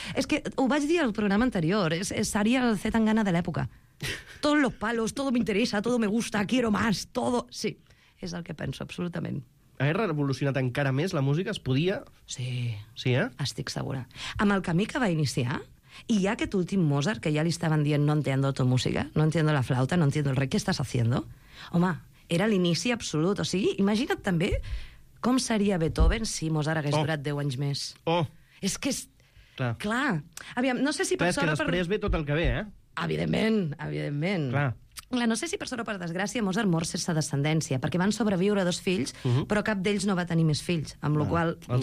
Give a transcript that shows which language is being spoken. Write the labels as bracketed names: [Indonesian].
[Catalan] És que ho vaig dir al programa anterior. Seria el Cetangana de l'època. [Spanish] Todos los palos, todo me interesa, todo me gusta, quiero más, todo... [Catalan] Sí, és el que penso, absolutament. Ha revolucionat encara més la música? Es podia... Sí. Sí, eh? Estic segura. Amb el camí que va iniciar... [Spanish] Y ya que tu último Mozart, que ya le estaban diciendo no entiendo tu música, no entiendo la flauta, no entiendo el rey, ¿qué estás haciendo? [Catalan] Home, era l'inici absolut. O sigui, imagina't també com seria Beethoven si Mozart hagués durat 10 anys més. Oh! És que és... Clar. Clar. Aviam, no sé si per sort... Clar, després ve tot el que ve, eh? Evidentment. Clar. Clar, no sé si per sort o per desgràcia Mozart mor sense descendència, perquè van sobreviure dos fills, però cap d'ells no va tenir més fills, amb la qual...